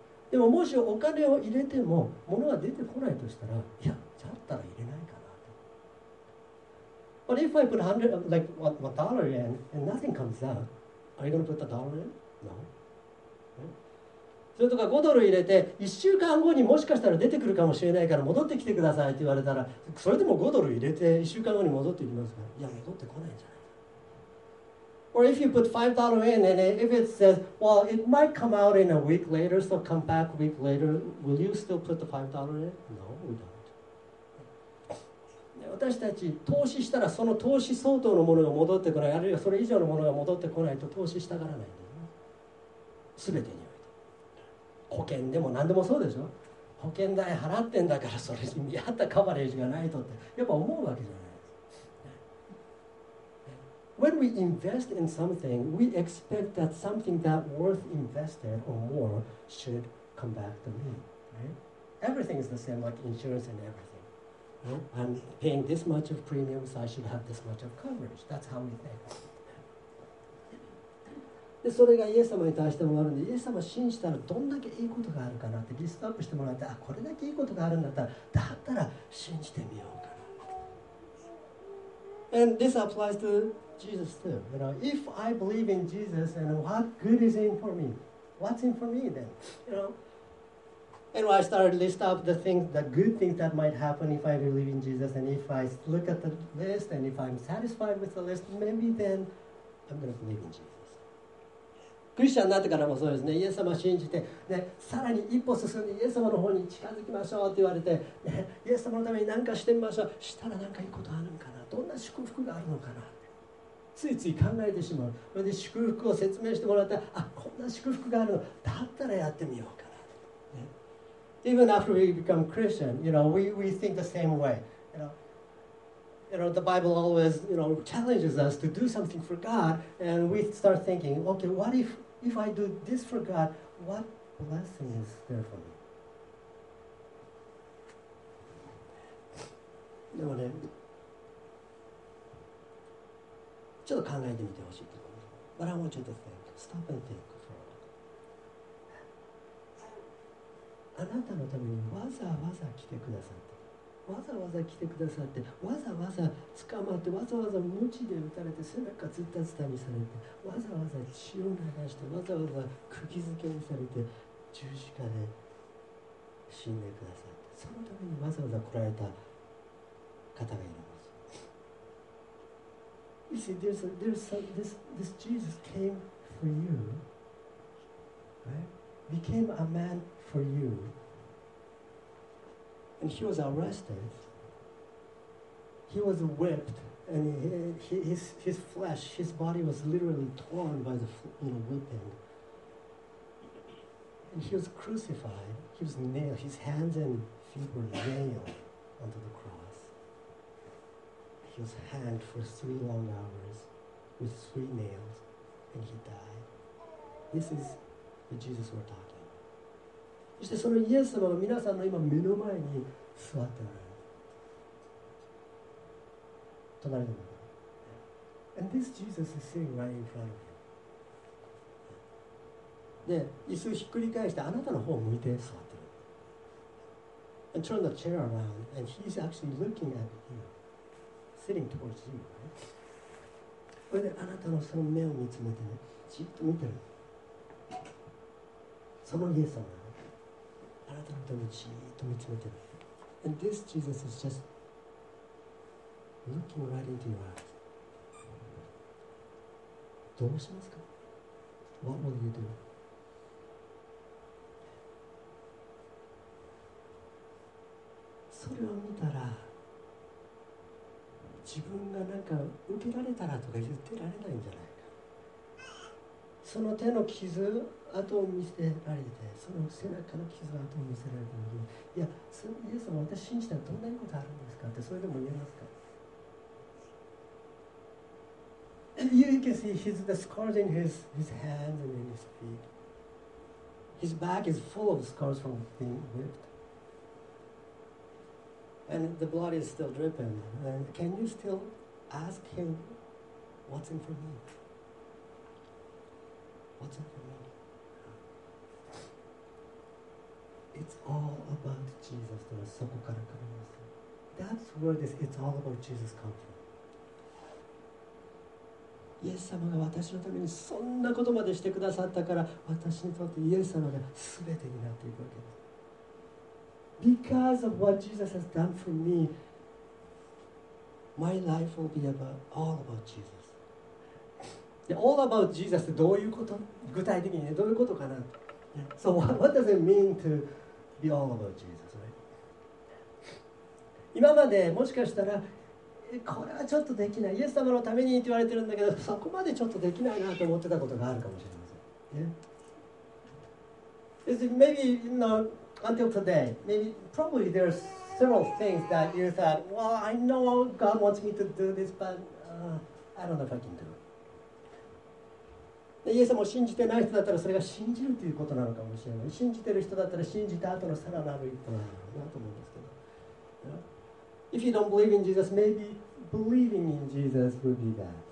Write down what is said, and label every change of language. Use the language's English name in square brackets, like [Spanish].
[Japanese] でももしお金を入れても物が出てこないとしたら、いや、だったら入れないかなと。 [English] But if I put $100 in and nothing comes out, are you going to put the dollar in? No. [Japanese] それとか5ドル入れて1週間後にもしかしたら出てくるかもしれないから戻ってきてくださいって言われたら、それでも5ドル入れて1週間後に戻ってきますから、いや戻ってこないんじゃないか。 [English] Or if you put $5 in and if it says, well, it might come out in a week later, so come back a week later, will you still put the $5 in? No, we don't. [Japanese] 私たち投資したらその投資相当のものが戻ってこない、あるいはそれ以上のものが戻ってこないと投資したがらないんだよね。全てに保険でも何でもそうでしょ。保険代払ってんだからそれに見合ったカバレージがないとってやっぱ思うわけじゃないですか。 [English] When we invest in something, we expect that something that worth invested or more should come back to me. Everything is the same, like insurance and everything. I'm paying this much of premium, so I should have this much of coverage. That's how we think. [Japanese] でそれがイエス様に対してもあるので、イエス様を信じたらどんだけいいことがあるかなってリストアップしてもらって、あ、これだけいいことがあるんだったら、だったら信じてみようかな。 [English] And this applies to Jesus too. You know, if I believe in Jesus, and what good is in for me? What's in for me then? You know? And I started list up the things, the good things that might happen if I believe in Jesus, and if I look at the list, and if I'm satisfied with the list, maybe then I'm going to believe in Jesus. [Japanese] クリスチャンになってからもそうですね。イエス様を信じて、ね、さらに一歩進んでイエス様の方に近づきましょうと言われて、ね、イエス様のために何かしてみましょう。したら何かいいことあるのかな、どんな祝福があるのかなってついつい考えてしまう。それで祝福を説明してもらったら、あ、こんな祝福があるの、だったらやってみようかな、ね、 [English] Even after we become Christian, you know, we think the same way. You know, the Bible always, you know, challenges us to do something for God, and we start thinking, okay, what if I do this for God, what blessing is there for me? [Japanese] でもね、ちょっと考えてみてほしいと思う。 [English] But I want you to think, stop and think for a while. [Japanese] あなたのためにわざわざ来てくださって、わざわざ来てくださって、わざわざ捕まって、わざわざ鞭で打たれて、背中ずったずたにされて、わざわざ血を流して、わざわざ釘付けにされて、十字架で死んでくださって、そのためにわざわざ来られた方がいるんです。 [English] You see, this Jesus came for you, right? Became a man for you. And he was arrested. He was whipped, and his flesh, his body was literally torn by the whipping. And he was crucified. He was nailed. His hands and feet were nailed onto the cross. He was hanged for 3 long hours with 3 nails, and he died. This is what Jesus was talking. [Japanese] そしてそのイエス様が皆さんの今目の前に座っておられる。隣でも。 [English] And this Jesus is sitting right in front of you. [Japanese] で、椅子をひっくり返してあなたの方を向いて座ってる。 [English] And turn the chair around and he's actually looking at you, sitting towards you, right? [Japanese] これであなたのその目を見つめてね、じっと見てる。そのイエス様が。あなたのためにじっと見つめてる。 [English] And this Jesus is just looking right into your eyes. [Japanese] どうしますか? [English] What will you do? [Japanese] それを見たら、自分がなんか受けられたらとか言ってられないんじゃないか。その手の傷、跡を見せられて、その背中の傷跡を見せられたのに、いや、イエス様、私信じたらどんなことあるんですかって、それでも言えますか。 [English] You can see he's the scars in his hands and in his feet. His back is full of scars from being whipped. And the blood is still dripping. And can you still ask him, what's in for me? What's in for me? It's all about Jesus. [Japanese] とはそこから来るんです。 [English] That's where this "It's all about Jesus" comes from. [Japanese] イエス様が私のためにそんなことまでしてくださったから、私にとってイエス様が全てになっていくわけです。 [English] Because of what Jesus has done for me, my life will be about all about Jesus. [Japanese] で、 [English] all about Jesus [Japanese] ってどういうこと？具体的にね、どういうことかな？ [English] So what does it mean to? Be all about Jesus, right? [Japanese] 今までもしかしたらこれはちょっとできない、イエス様のためにって言われてるんだけど、そこまでちょっとできないなと思ってたことがあるかもしれません。 [English] Yeah. Is it maybe you know until today, maybe probably there's several things that you thought, well, I know God wants me to do this, but I don't know if I can do it. [Japanese] イエス様を信じてない人だったらそれが信じるということなのかもしれない。信じてる人だったら信じた後のさらなる一歩なのかなと思うんですけど。 [English] If you don't believe in Jesus, maybe believing in Jesus would be that.